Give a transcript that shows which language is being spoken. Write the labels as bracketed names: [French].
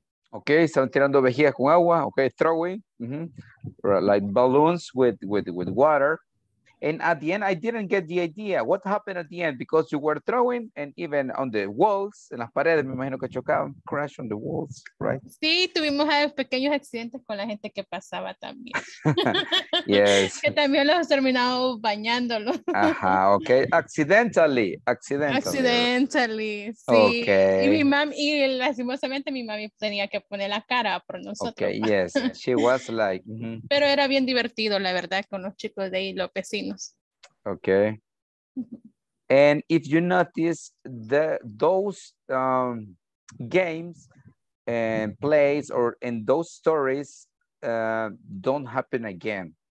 [Spanish] Okay, están tirando vejigas con agua. [English] Okay, throwing like balloons with water. And at the end, I didn't get the idea. What happened at the end? Because you were throwing, and even on the walls, [Spanish] en las paredes, me imagino que chocaban, [English] crash on the walls, right? [Spanish] Sí, tuvimos pequeños accidentes con la gente que pasaba también. [English] Yes. [Spanish] Que también los terminamos bañándolo. [English] Ajá, okay. Accidentally. Accidentally, sí. Okay. [Spanish] Y mi mami, y lastimosamente mi mami tenía que poner la cara por nosotros. [English] Okay, yes. She was like... [Spanish] Pero era bien divertido, la verdad, con los chicos de López. [English] Okay. And if you notice those games and plays or in those stories don't happen again.